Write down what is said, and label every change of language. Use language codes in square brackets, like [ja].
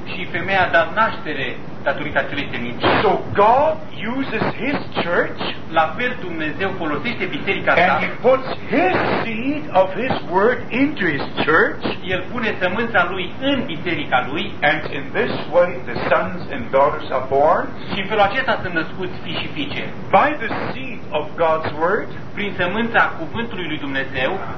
[ro] Și femeia a dat naștere datorită acelei seminte. [en] So God uses His church. [ro] La fel Dumnezeu folosește biserica sa. [en] And He puts His seed of His word into His church. [ro] El pune sămânța lui în biserica lui. [en] And in this way the sons and daughters are born. [ro] Și în felul acesta sunt născuți fii și fiice. [en] By the seed of God's word. [ro] Prin sămânța cuvântului lui Dumnezeu.